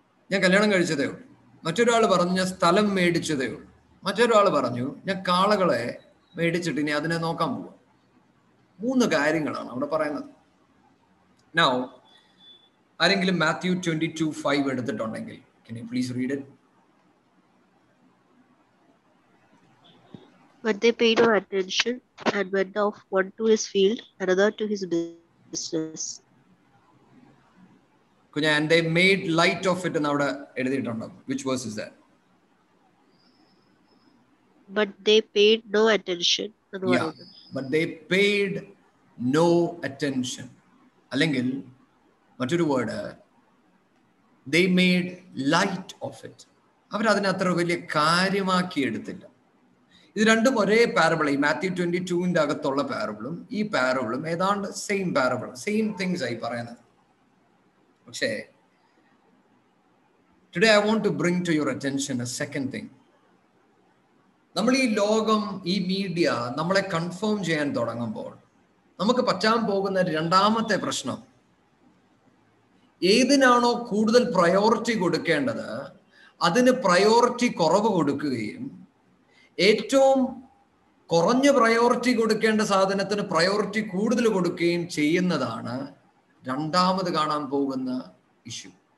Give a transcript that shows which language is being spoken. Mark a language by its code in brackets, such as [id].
[ml] ഞാൻ കല്യാണം കഴിച്ചതേ ഉള്ളൂ മറ്റൊരാൾ പറഞ്ഞു ഞാൻ സ്ഥലം മേടിച്ചതേ ഉള്ളൂ മറ്റൊരാൾ പറഞ്ഞു ഞാൻ കാളകളെ മേടിച്ചിട്ട് ഇനി അതിനെ നോക്കാൻ പോവാ 3 അവിടെ പറയുന്നത് നൗ ആരെങ്കിലും മാത്യു 22:5 എടുത്തിട്ടുണ്ടെങ്കിൽ [en] Can you please read it But they paid no attention and went off one to his field, another to his business. And they made light of it in [ml] avada ezhuthittundo. [en] Which verse is that? But they paid no attention. Yeah, but they paid no attention. [ml] Allengil, mattoru [en] word, they made light of it. [ml] Avar adine athra veliya karyamaakki eduthilla. ഇത് രണ്ടും ഒരേ പാരബിളായി മാത്യു 22 അകത്തുള്ള പാരബിളും ഈ പാരബിളും ഏതാണ്ട് same parable same things ആയി പറയുന്നത് പക്ഷേ [en] Today I want to bring to your attention a second thing. [ml] നമ്മൾ ഈ ലോകം ഈ മീഡിയ നമ്മളെ കൺഫേം ചെയ്യാൻ തുടങ്ങുമ്പോൾ നമുക്ക് പറ്റാൻ പോകുന്ന രണ്ടാമത്തെ പ്രശ്നം ഏതിനാണോ കൂടുതൽ പ്രയോറിറ്റി കൊടുക്കേണ്ടത് അതിന് പ്രയോറിറ്റി കുറവ് കൊടുക്കുകയും ഏറ്റവും കുറഞ്ഞ പ്രയോറിറ്റി കൊടുക്കേണ്ട സാധനത്തിന് പ്രയോറിറ്റി കൂടുതൽ കൊടുക്കുകയും ചെയ്യുന്നതാണ് രണ്ടാമത് കാണാൻ പോകുന്ന ഇഷ്യൂ.